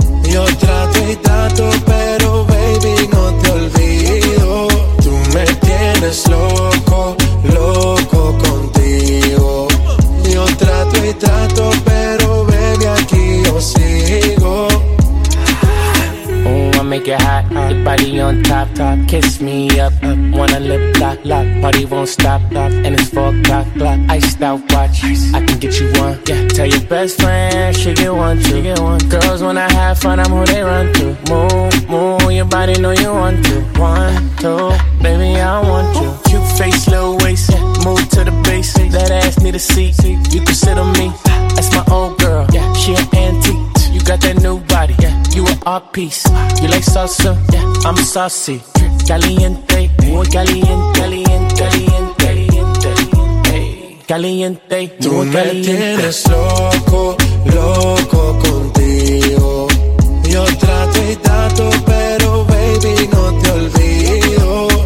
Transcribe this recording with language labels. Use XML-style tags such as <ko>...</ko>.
<es>Yo trato y trato, pero baby, no te olvido. Tú me tienes loco, loco contigo. Yo trato y trato, pero baby, aquí yo sigo.</es> <en>Make it hot, your body on top, top. Kiss me up, up. Wanna lip lock, lock. Party won't stop, stop. And it's 4 o'clock, iced out watch. Ice. I can get you one, yeah. Tell your best friend she get one too. Get one. Girls wanna have fun, I'm who they run to. Move, move, your body know you want to. One, two, baby I want you. Cute face, little waist, yeah. Move to the bass. That ass need a seat. You can sit on me. That's my old girl, yeah. She an antique. You got that new body, yeah. You an art piece. You like salsa, yeah. I'm saucy.</en> <es>Caliente, muy caliente, caliente, caliente, caliente, caliente. Tú me tienes loco, loco contigo. Yo trato y trato, pero baby no te olvido.</es>